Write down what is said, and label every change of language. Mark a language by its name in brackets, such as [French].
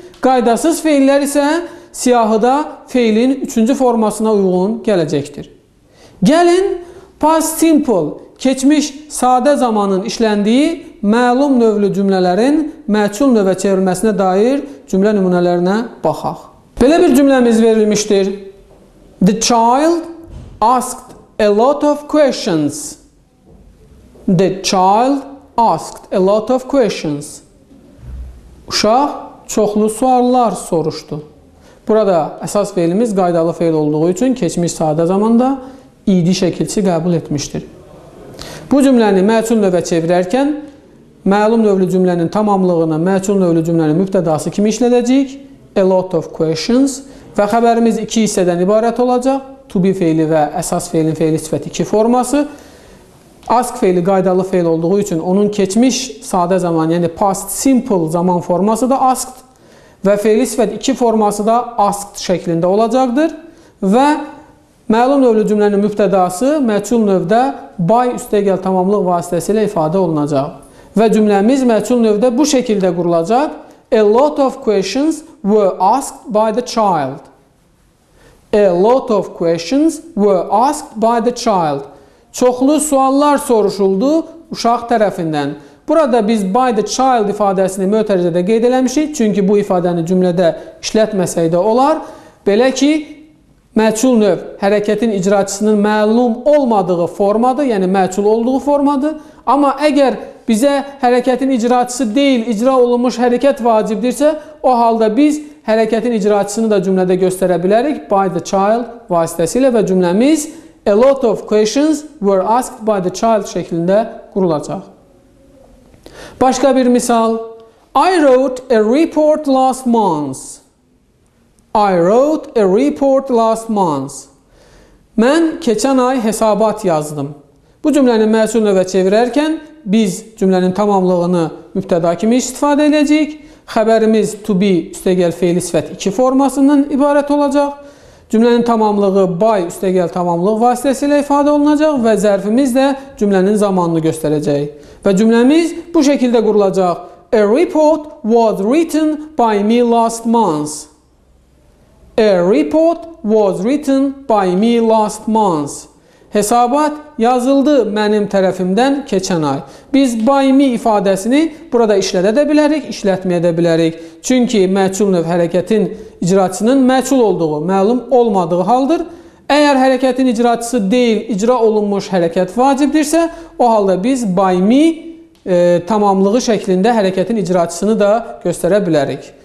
[Azerbaijani] Qaydasız feillər isə siyahıda feilin üçüncü formasına uyğun gələcəkdir. Gəlin, past simple, keçmiş sadə zamanın işləndiyi məlum növlü cümlələrin məcul növə çevrilməsinə dair cümlə nümunələrinə baxaq. Belə bir cümləmiz verilmişdir. [English] The child asked a lot of questions. The child asked a lot of questions. [Azerbaijani] Uşaq çoxlu suallar soruşdu. Burada əsas feilimiz qaydalı feil olduğu üçün keçmiş sadə zamanda idi şəkilçi qəbul etmişdir. Bu cümləni məcul növə çevirərkən məlum növlü cümlənin tamamlığını məcul növlü cümlənin mübtədası kimi işlədəcəyik. [English] A lot of questions [Azerbaijani] və xəbərimiz iki hissədən ibarət olacaq. To be feili və əsas feilin feili sifəti iki forması. Ask feili qaydalı feil olduğu üçün onun keçmiş sadə zaman, yəni past simple zaman forması da asked və feili sifət iki forması da asked şəklində olacaqdır və məlum növlü cümlənin mübtədası məcul növdə by üstəgəl tamamlıq vasitəsilə ifadə olunacaq və cümləmiz məcul növdə bu şəkildə qurulacaq. [English] A lot of questions were asked by the child. A lot of questions were asked by the child. [Azerbaijani] Çoxlu suallar soruşuldu uşaq tərəfindən. Burada biz [English] by the child [Azerbaijani] ifadəsini mötərizədə qeyd eləmişik, çünki bu ifadəni cümlədə işlətməsək də olar. Belə ki, məcul növ hərəkətin icraçısının məlum olmadığı formadır, yəni məcul olduğu formadır. Amma əgər bizə hərəkətin icraçısı deyil, icra olunmuş hərəkət vacibdirsə, o halda biz hərəkətin icraçısını da cümlədə göstərə bilərik [English] by the child [Azerbaijani] vasitəsilə və cümləmiz [English] a lot of questions were asked by the child [Azerbaijani] şəklində qurulacaq. Başqa bir misal. [English] I wrote a report last month. I wrote a report last month. [Azerbaijani] Mən keçən ay hesabat yazdım. Bu cümləni məcul növə çevirərkən biz cümlənin tamamlığını mübtəda kimi istifadə edəcəyik. Xəbərimiz to be üstəgəl feili sifət iki formasından ibarət olacaq. Cümlənin tamamlığı by üstəgəl tamamlıq vasitəsilə ifadə olunacaq və zərfimiz də cümlənin zamanını göstərəcək. Və cümləmiz bu şəkildə qurulacaq. [English] A report was written by me last month. A report was written by me last month. [Azerbaijani] Hesabat yazıldı mənim tərəfimdən keçən ay. Biz [English] by me [Azerbaijani] ifadəsini burada işlədə də bilərik, işlətməyə də bilərik. Çünki məçul növ hərəkətin icraçısının məçul olduğu məlum olmadığı haldır. Əgər hərəkətin icraçısı deyil, icra olunmuş hərəkət vacibdirsə, o halda biz [English] by me [Azerbaijani] tamamlığı şəklində hərəkətin icraçısını da göstərə bilərik.